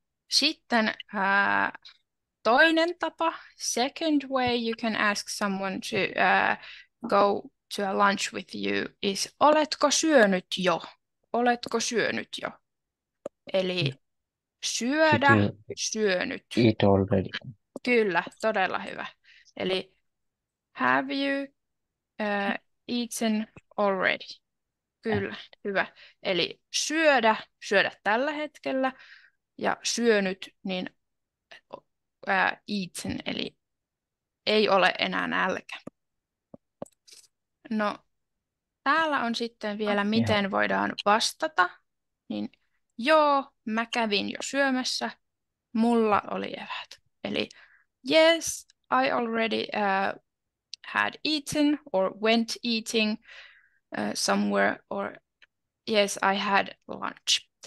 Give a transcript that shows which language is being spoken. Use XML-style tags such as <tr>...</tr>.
<fi>Sitten toinen tapa,</fi> <en>second way you can ask someone to go to a lunch with you is</en> <fi>oletko syönyt jo? Oletko syönyt jo? Eli syödä, syönyt.</fi> <en>Eat already.</en> <fi>Kyllä, todella hyvä.</fi> <en>Eli have you eaten already?</en> <fi>Kyllä, hyvä. Eli syödä, syödä tällä hetkellä ja syönyt, niin eaten, eli ei ole enää nälkä. No, täällä on sitten vielä, miten voidaan vastata. Niin, joo, mä kävin jo syömässä, mulla oli eväät.</fi> <en>Eli yes, I already had eaten or went eating. Somewhere, or yes, I had lunch.</en>